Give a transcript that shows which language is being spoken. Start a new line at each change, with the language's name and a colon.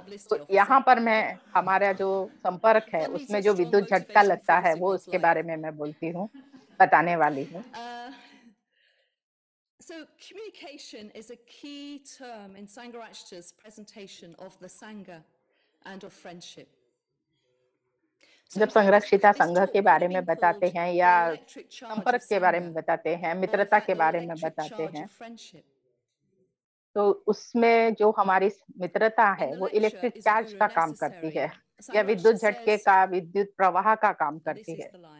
Hindi: तो यहाँ पर मैं हमारा जो संपर्क है उसमें जो विद्युत झटका लगता है वो उसके बारे में मैं बोलती हूँ, बताने वाली हूँ।
English: So communication is a key term in Sangharakshita's presentation of the Sangha and of friendship.
Hindi: जब संरक्षिता संघ के बारे में बताते हैं या संपर्क के बारे में बताते हैं, मित्रता के बारे में बताते हैं, तो उसमें जो हमारी मित्रता है वो इलेक्ट्रिक चार्ज का काम करती है या विद्युत झटके का, विद्युत प्रवाह का काम करती है.